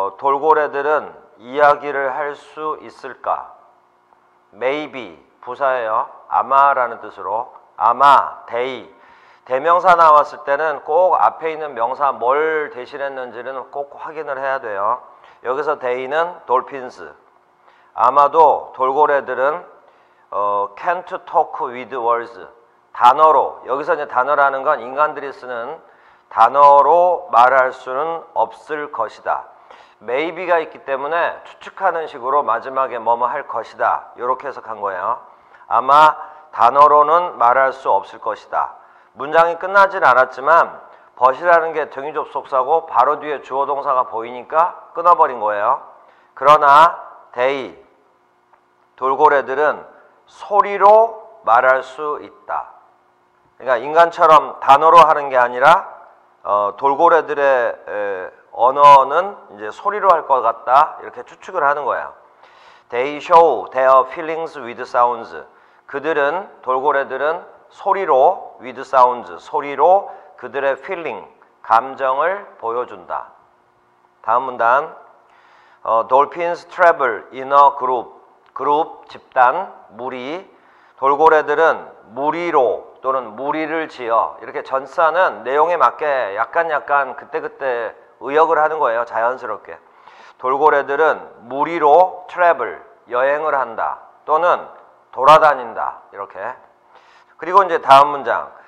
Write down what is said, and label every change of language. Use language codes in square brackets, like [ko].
[ko] 돌고래들은 이야기를 할수 있을까? Maybe 부사예요. 아마라는 뜻으로 아마 they 대명사 나왔을 때는 꼭 앞에 있는 명사 뭘 대신했는지는 꼭 확인을 해야 돼요. 여기서 they는 dolphins. 아마도 돌고래들은 [en] can't talk with words. [ko] 단어로, 여기서 이제 단어라는 건 인간들이 쓰는 단어로 말할 수는 없을 것이다. Maybe가 있기 때문에 추측하는 식으로 마지막에 뭐뭐 할 것이다. 이렇게 해석한 거예요. 아마 단어로는 말할 수 없을 것이다. 문장이 끝나진 않았지만, but이라는 게 등유접속사고 바로 뒤에 주어동사가 보이니까 끊어버린 거예요. 그러나 they, 돌고래들은 소리로 말할 수 있다. 그러니까 인간처럼 단어로 하는 게 아니라 돌고래들의 언어는 이제 소리로 할것 같다. 이렇게 추측을 하는 거야. [en] They show their feelings with sounds. [ko] 그들은 돌고래들은 소리로 with sounds 소리로 그들의 feeling 감정을 보여준다. 다음 문단. [en] Dolphins travel in a group. [ko] 그룹, 집단, 무리. 돌고래들은 무리로 또는 무리를 지어. 이렇게 전사는 내용에 맞게 약간 그때그때 의역을 하는 거예요. 자연스럽게. 돌고래들은 무리로 트래블, 여행을 한다. 또는 돌아다닌다. 이렇게. 그리고 이제 다음 문장.